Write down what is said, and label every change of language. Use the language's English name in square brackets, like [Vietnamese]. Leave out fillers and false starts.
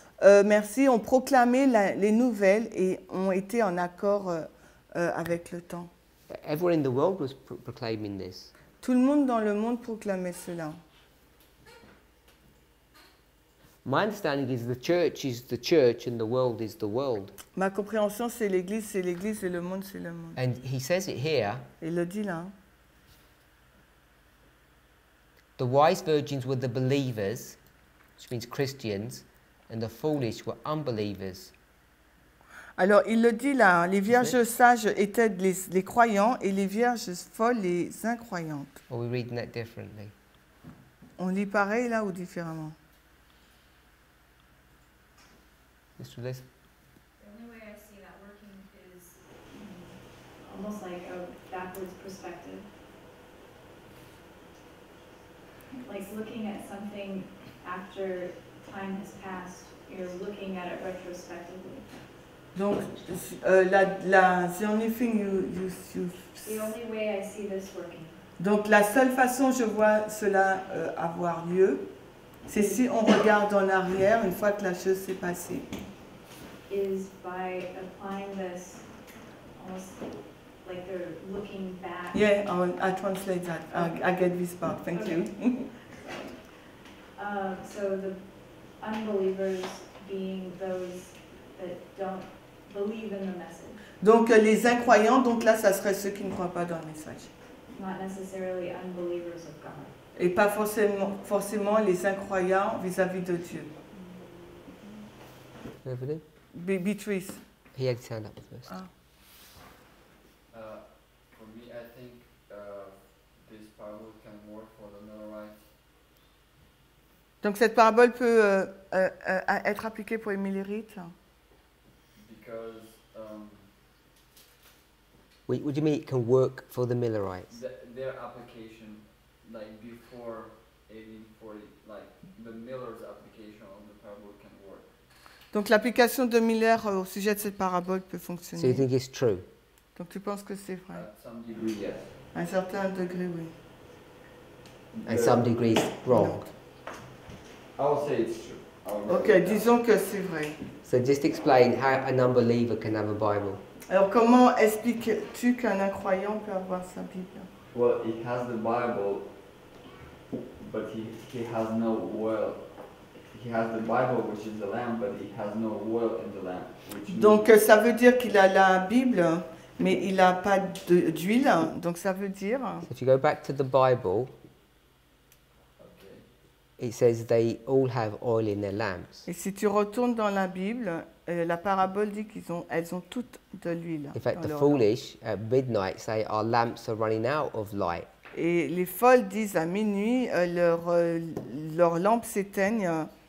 [French] merci, ont proclamé les nouvelles et ont été en accord avec le temps. [English] Everyone in the world was proclaiming this. [French] Tout le monde dans le monde proclamait cela. [English] My understanding is the church is the church and the world is the world. [French] Ma compréhension c'est l'église et le monde c'est le monde. [English] And he says it here. [French] Il le dit là. [English] The wise virgins were the believers, which means Christians, and the foolish were unbelievers. [French] Alors il le dit là, les vierges sages étaient les croyants et les vierges folles les incroyantes. [English] Or we read that differently. [French] On lit pareil là ou différemment? [English] Just with this. The only way I see that working is almost like a backwards perspective. Like looking at something after time has passed, you're looking at it retrospectively. Donc, the only thing you. The only way I see this working. [French] Donc, la seule façon je vois cela avoir lieu, c'est si on regarde en arrière une fois que la chose s'est passée. [English] Is by applying this, almost like they're looking back. Yeah, I'll translate that. Okay. I get this part. Thank okay. you. So the unbelievers being those that don't believe in the message. [French] Donc les incroyants. Donc là, ça serait ceux qui ne croient pas dans le message. [English] Not necessarily unbelievers of God. [French] Et pas forcément les incroyants vis-à-vis de Dieu. Mm-hmm. [English] Beatrice. He had signed up first. For me, I think this parable can work for the Millerite. [French] Donc cette parabole peut être appliquée pour les Millerites. [English] Because. Wait, what do you mean it can work for the Millerites? Their application, like before 1840, like the Miller's application on the parable can work. [French] Donc l'application de Miller au sujet de cette parabole peut fonctionner. [English] So you think it's true? [French] Donc tu penses que c'est vrai? [English] At some degree, yes. À un certain degré, oui. At some degree, wrong. No. I'll say it's true. [French] Okay, disons que c'est vrai. [English] So just explain how an unbeliever can have a Bible. [French] Alors comment expliques-tu qu'un incroyant peut avoir sa Bible? [English] Well, he has the Bible, but he has no world. He has the Bible, which is the lamp, but he has no oil in the lamp. [French] Donc ça veut dire qu'il a la Bible, mais il a pas d'huile. Donc ça veut dire. [English] So if you go back to the Bible, okay. It says they all have oil in their lamps. [French] Et si tu retournes dans la Bible, la parabole dit qu'elles ont toutes de l'huile. [English] In fact, the foolish at midnight say our lamps are running out of light. [French] Et les folles disent à minuit leurs lampes s'éteignent.